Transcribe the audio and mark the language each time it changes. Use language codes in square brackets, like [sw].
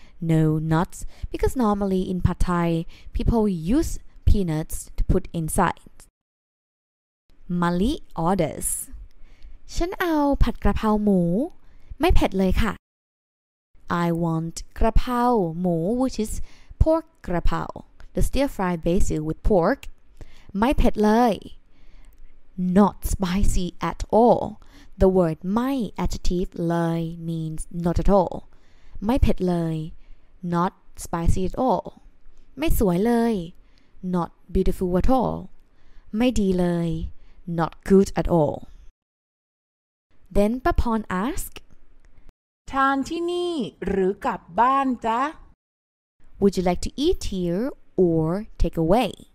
[en] No nuts because normally in pad thai people use peanuts to put inside. Mali orders. [th] ฉันเอาผัดกระเพราหมูไม่เผ็ดเลยค่ ะ [en] I want กระเพราหมู which is pork กระเพรา the stir fry basil with pork [th] ไม่เผ็ดเลย [en] not spicy at all the word ไม่ adjective เลย means not at all ไม่เผ็ดเลย not spicy at all [th] ไม่สวยเลย [en] not beautiful at all [th] ไม่ดีเลย [en] not good at all then ป้าพร ask [th] ทานที่นี่หรือกลับบ้านจ๊ะ [en] Would you like to eat here or take away?